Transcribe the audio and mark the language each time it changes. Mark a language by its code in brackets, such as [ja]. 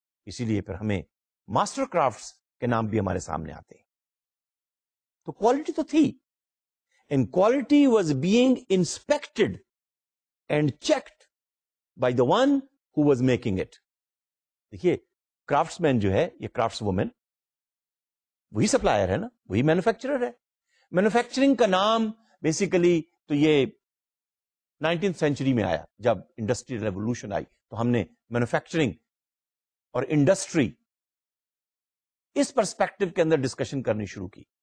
[ur] اسی لیے پھر ہمیں ماسٹر کرافٹس کے نام بھی ہمارے سامنے آتے ہیں. تو کوالٹی تو تھی, [en] and quality was being inspected and checked by the one who was making it. [ur] دیکھیے کرافٹس مین جو ہے یا کرافٹس وومین وہی سپلائر ہے نا, وہی مینوفیکچرر ہے. مینوفیکچرنگ کا نام بیسیکلی تو یہ 19th سینچری میں آیا, جب انڈسٹریل ریولوشن آئی تو ہم نے مینوفیکچرنگ اور انڈسٹری اس پرسپیکٹو کے اندر ڈسکشن کرنی شروع کی.